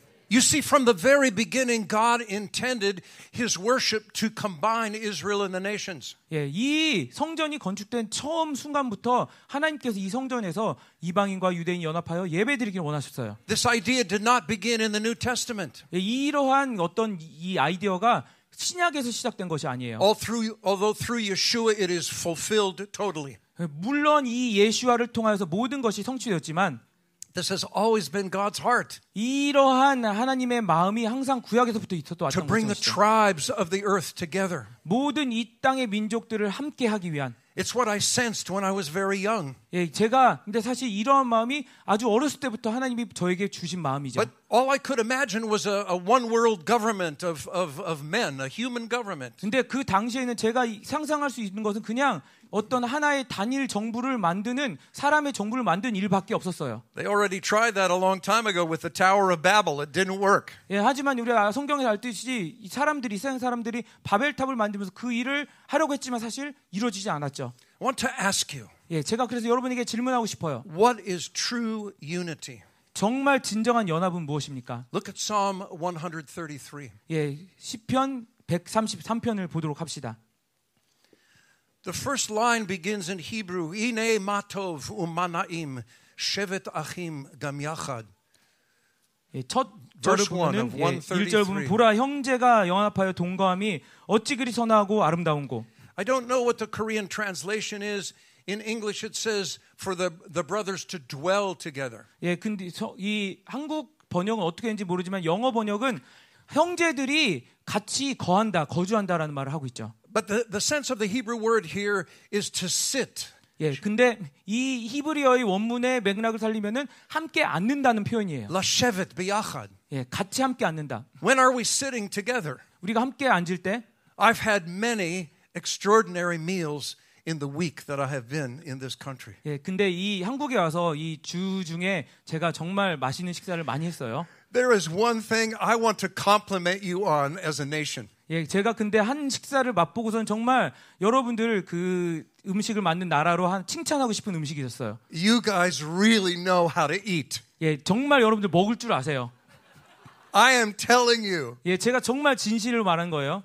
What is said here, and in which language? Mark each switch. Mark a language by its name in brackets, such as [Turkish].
[English] You see, from the very beginning, God intended His worship to combine Israel and the nations. [Korean] 예, 이 성전이 건축된 처음 순간부터 하나님께서 이 성전에서 이방인과 유대인 연합하여 예배드리기를 원하셨어요. [English] This idea did not begin in the New Testament. [Korean] 예, 이러한 어떤 이 아이디어가 신약에서 시작된 것이 아니에요. [English] Although through Yeshua, it is fulfilled totally. [Korean] 물론 이 예수아를 통하여서 모든 것이 성취되었지만. [English] This has always been God's heart. [Korean] 이러한 하나님의 마음이 항상 구약에서부터 있었던 것이죠. [English] To bring the tribes of the earth together. [Korean] 모든 이 땅의 민족들을 함께하기 위한. [English] It's what I sensed when I was very young. [Korean] 예, 제가 근데 사실 이러한 마음이 아주 어렸을 때부터 하나님이 저에게 주신 마음이죠. [English] But all I could imagine was a one world government of men, a human government. [Korean] 근데 그 당시에는 제가 상상할 수 있는 것은 그냥 어떤 하나의 단일 정부를 만드는 사람의 정부를 만든 일밖에 없었어요. [English] They already tried that a long time ago with the Tower of Babel. It didn't work. [Korean] 예, 하지만 우리가 성경에 알듯이 사람들이 세상 사람들이 바벨탑을 만들면서 그 일을 하려고 했지만 사실 이루어지지 않았죠. [English] I want to ask you. [Korean] 예, 제가 그래서 여러분에게 질문하고 싶어요. [English] What is true unity? [Korean] 정말 진정한 연합은 무엇입니까? [English] Look at Psalm 133. [Korean] 예, 시편 133편을 보도록 합시다. [English] The first line begins in Hebrew, [Hebrew] Ine matov umanaim shevet achim gam yachad. [Korean] 첫 절을 보면 1절 보면 보라 형제가 연합하여 동거함이 어찌 그리 선하고 아름다운고. [English] I don't know what the Korean translation is. In English it says for the brothers to dwell together. [Korean] 예, 근데 이 한국 번역은 어떻게 했는지 모르지만 영어 번역은 형제들이 같이 거한다, 거주한다라는 말을 하고 있죠. [English] But the sense of the Hebrew word here is to sit. [Korean] 예, 근데 이 히브리어의 원문의 맥락을 살리면은 함께 앉는다는 표현이에요. [Hebrew] Lashevet biyachad. [Korean] 예, 같이 함께 앉는다. [English] When are we sitting together? [Korean] 우리가 함께 앉을 때. [English] I've had many extraordinary meals in the week that I have been in this country. [Korean] 예, 근데 이 한국에 와서 이 주 중에 제가 정말 맛있는 식사를 많이 했어요. [English] There is one thing I want to compliment you on as a nation. [Korean] 예, 제가 근데 한 식사를 맛보고선 정말 여러분들 그 음식을 만든 나라로 한 칭찬하고 싶은 음식이었어요. [English] You guys really know how to eat. [Korean] 예, 정말 여러분들 먹을 줄 아세요. [English] I am telling you. [Korean] 예, 제가 정말 진실을 말한 거예요.